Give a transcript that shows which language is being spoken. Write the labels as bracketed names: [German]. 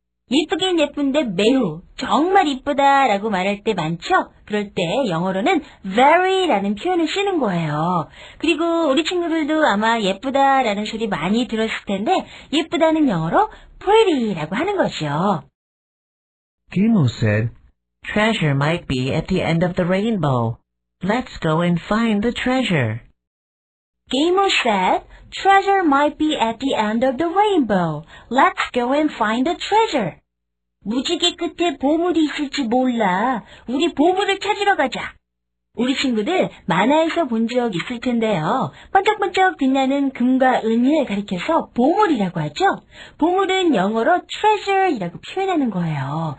[Korean] 예쁘긴 예쁜데 매우, 정말 이쁘다라고 말할 때 많죠? 그럴 때 영어로는 very라는 표현을 쓰는 거예요. 그리고 우리 친구들도 아마 예쁘다라는 소리 많이 들었을 텐데 예쁘다는 영어로 pretty라고 하는 거죠. [English] Kimo said, "Treasure might be at the end of the rainbow. Let's go and find the treasure." Gamer said, "Treasure might be at the end of the rainbow. Let's go and find the treasure." [Korean] 무지개 끝에 보물이 있을지 몰라. 우리 보물을 찾으러 가자. 우리 친구들 만화에서 본 적 있을 텐데요. 반짝반짝 빛나는 금과 은을 가리켜서 보물이라고 하죠. 보물은 영어로 treasure이라고 표현하는 거예요.